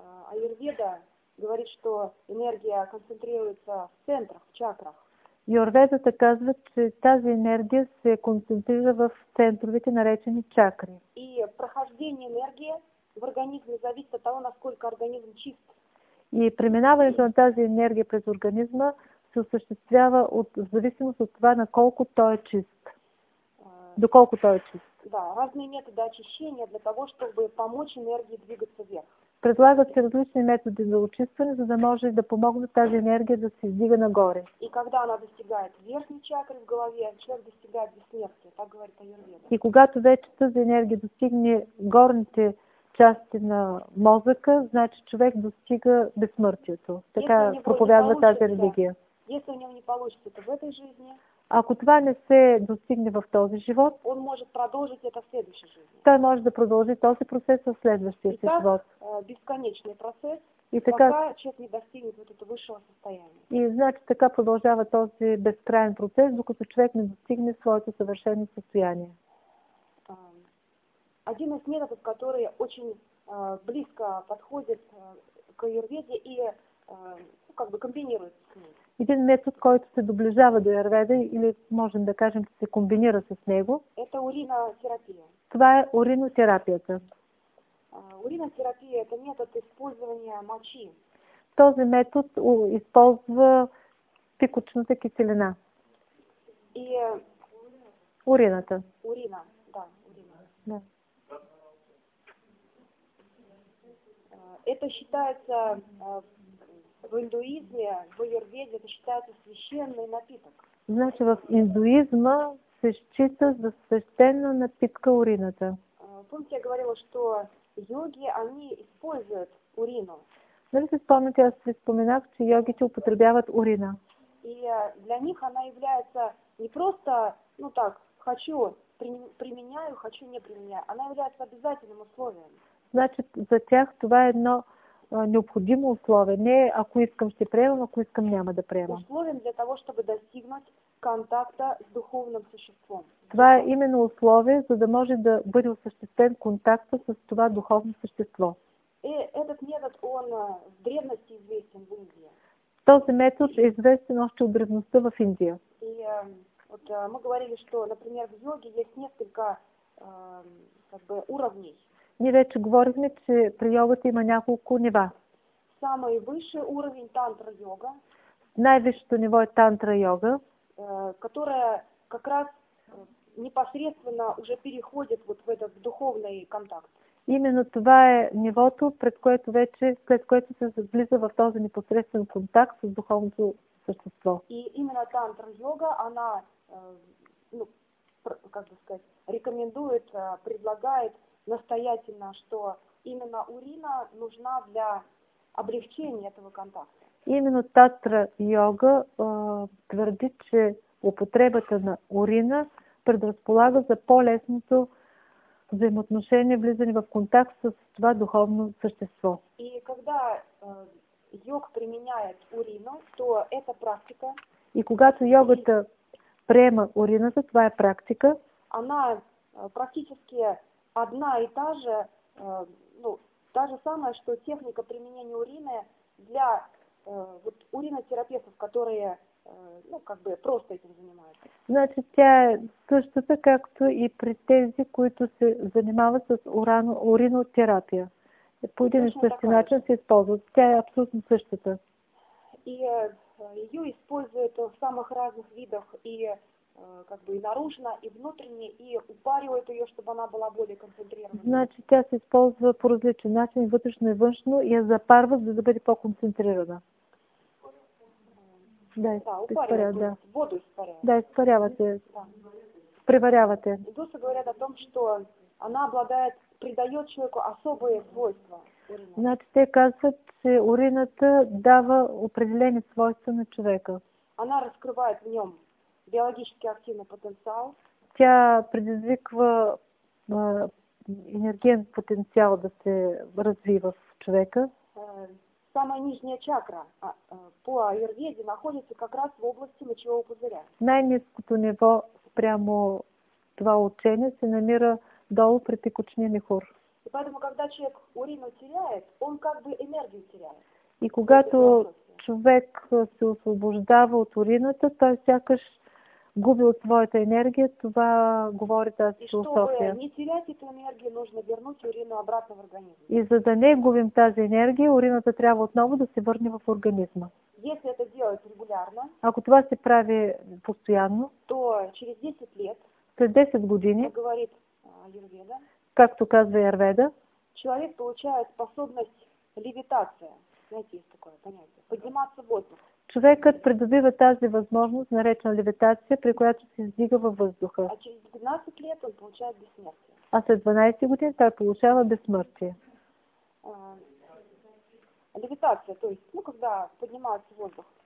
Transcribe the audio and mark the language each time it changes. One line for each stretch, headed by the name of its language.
Russian: Аюрведа говорит, что энергия концентрируется в центрах, в чакрах.
Bulgarian: Аюрведата казва, че тази енергия се концентрира в центровете, наречени чакри.
Russian: И прохождение енергии в организме зависит от того, насколько организм чист.
Bulgarian: И преминаването на тази енергия през организма се осъществява от, в зависимост от това, наколко той е чист. Доколко той е чист.
Russian: Да, разные методы очищения для того, чтобы помочь энергии двигаться вверх.
Bulgarian: Предлагат се различни методи за очистване, за да може да помогне тази енергия да се издига нагоре.
Russian: И когда она достигает верхней чакры в голове, человек достигает бессмертия, так говорит Аюрведа.
Bulgarian: И когато вече тази енергия достигне горните части на мозъка, значи човек достига безсмъртието. Така проповядва тази религия.
Russian: Если у него не получится, то в этой жизни.
Bulgarian: Ако това не се достигне в този живот,
Russian: он может продолжить это в следующей жизни.
Bulgarian: Той може да продължи този процес в следващия си живот.
Russian: Бесконечный процесс, и така, пока человек не достигнет вот этого высшего состояния.
Bulgarian: И значи така продължава този безкрайен процес, докато човек не достигне своето съвършено състояние.
Russian: Один из методов, который очень близко подходит к Аюрведе и как бы комбинирует с ней.
Bulgarian: Един метод, който се доближава до Аюрведа или можем да кажем, че се комбинира с него.
Russian: Это уринотерапия.
Bulgarian: Това е уринотерапията.
Russian: Уринотерапия – это метод использования мочи.
Bulgarian: Този метод използва пикочната киселина. И урината. Урина, да, урина. Да.
Russian: Это считается в индуизме, в аюрведе это считается священный напиток.
Bulgarian: Значи в индуизма се счита за священна напитка урината.
Russian: Помните, я говорила, что йоги, они используют урину.
Bulgarian: Нали се спомняте, аз ви споменах, че йогите употребяват урина.
Russian: И для них она является не просто, ну так, хочу, применяю, хочу, не применяю. Она является обязательным условием.
Bulgarian: Значи за тях това е едно необходимо условие. Не ако искам, ще приемам, ако искам, няма да приемам.
Russian: Условием для того, чтобы достигнуть контакта с духовным существом.
Bulgarian: Това е именно условие, за да може да бъде осъществен контакта с това духовно същество.
Russian: И этот метод, он в древности известен в Индии.
Bulgarian: Този метод е известен още от древността в Индия.
Russian: И вот мы говорили, что, например, в йоге есть несколько как бы уровней.
Bulgarian: Ние вече говорихме, че при йогата има няколко нива.
Russian: Самый высший уровень тантра йога.
Bulgarian: Най-висшето ниво е тантра йога,
Russian: которая как раз непосредственно уже переходит вот в этот духовный контакт.
Bulgarian: Именно това е нивото, пред което вече, след което се влиза в този непосредствен контакт с духовното същество.
Russian: И именно тантра-йога, она, ну, как бы сказать, рекомендует, предлагает настоятельно, что именно урина нужна для облегчения этого контакта.
Bulgarian: Именно тантра-йога твърдит, че употребата на урина предразполага за по-лесното взаимоотношение, влизане в контакт с това духовно същество.
Russian: И когда йог применяет урину, то это практика.
Bulgarian: И когато йогата приема урината, това е практика.
Russian: Она практически одна и та же, ну, та же самая, что техника применения урины для вот уринотерапевтов, которые, ну, как бы просто этим занимаются.
Bulgarian: Значит, тя е същата, както и при тези, които се занимават с уринотерапия. По един и същи начин се използват. Тя е абсолютно същата.
Russian: И ее используют в самых разных видах и как бы и наружно, и внутренне, и упаривают ее, чтобы она была более концентрирована.
Bulgarian: Значит, тя се използва по различен начин, вътрешно и външно, и я запарва, за да бъде по-концентрирана. Да, испаряват. Воду испаряват. Да, испарявате. Да. Приварявате.
Russian: Индусы говорят о том, что она обладает, придает человеку особые свойства.
Bulgarian: Значит, те казват, че урината дава определени свойства на човека.
Russian: Она раскрывает в нем биологически активный потенциал.
Bulgarian: Тя предизвиква енергиен потенциал да се развива в човека.
Russian: Самая нижняя чакра по аюрведе находится как раз в области мочевого пузыря.
Bulgarian: Най-низкото ниво прямо това учение се намира долу при текучния мехур.
Russian: И поэтому, когда человек урину теряет, он как бы энергию теряет.
Bulgarian: И когато човек се освобождава от урината, той сякаш губил своята енергия, това говори тази философия.
Russian: И чтобы не терять эту энергию, нужно вернуть урину обратно в организм.
Bulgarian: И за да не губим тази енергия, урината трябва отново да се върне в организма.
Russian: Если это делать регулярно,
Bulgarian: ако това се прави постоянно,
Russian: то через 10 лет,
Bulgarian: след 10 години,
Russian: как говорит Аюрведа,
Bulgarian: както казва Аюрведа,
Russian: человек получает способность левитация. Знаете, есть такое понятие. Подниматься в воздух.
Bulgarian: Човекът придобива тази възможност, наречена левитация, при която се издига във въздуха.
Russian: А через 12 лет он получает бессмертие.
Bulgarian: А след 12 години той получава безсмъртие.
Russian: Левитация, то есть, ну, когда поднимается воздух.